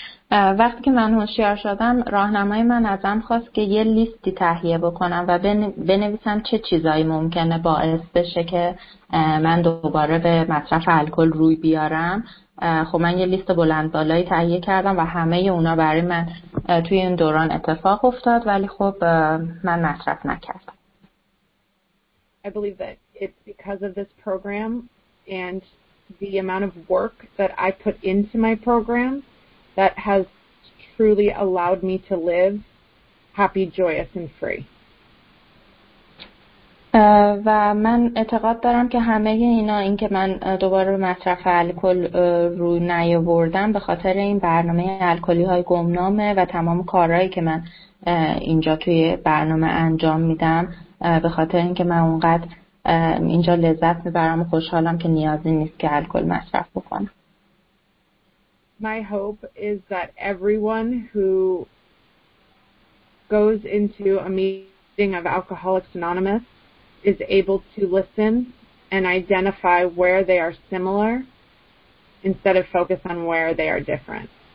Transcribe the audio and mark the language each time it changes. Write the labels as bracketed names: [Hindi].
[Persian] وقتی که من هوشیار شدم، راهنمای من ازم خواست که یه لیستی تهیه بکنم و بنویسم چه چیزایی ممکنه باعث بشه که من دوباره به مصرف الکل روی بیارم. خب من یه لیست بلند بالایی تهیه کردم و همه اونا برای من توی این دوران اتفاق افتاد، ولی خب من مصرف نکردم. [English] I believe that it's because of this program and the amount of work that I put into my program that has truly allowed me to live happy, joyous, and free. [Persian] و من اعتقاد دارم که همه اینا، این که من دوباره به مصرف الکل رو نیاوردم، به خاطر این برنامه الکلی های گمنامه و تمام کارهایی که من اینجا توی برنامه انجام میدم، به خاطر اینکه من اونقدر اینجا لذت میبرم و خوشحالم که نیازی نیست که الکل مصرف بکنم. [English] My hope is that everyone who goes into a meeting of Alcoholics Anonymous is able to listen and identify where they are similar instead of focus on where they are different.